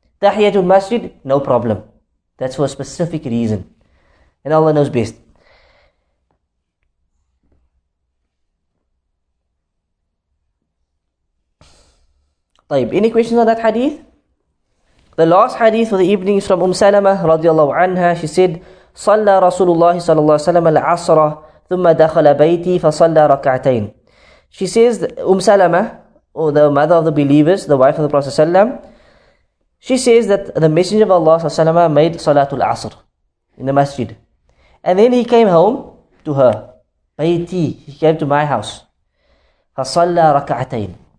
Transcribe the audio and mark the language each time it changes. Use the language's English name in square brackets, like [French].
[English] Tahiyatul masjid, no problem. That's for a specific reason. And Allah knows best. طيب, any questions on that hadith? The last hadith for the evening is from Salama radiallahu anha. She said, [Arabic] صلى رسول الله صلى الله عليه وسلم العصر ثم دخل بيتي فصلى ركعتين. [English] She says, Salama, or the mother of the believers, the wife of the Prophet sallam, she says that the Messenger of Allah sallam made Salatul Asr in the masjid. And then he came home to her. Bayti, he came to my house. [Arabic] Fasalla raka'atayn.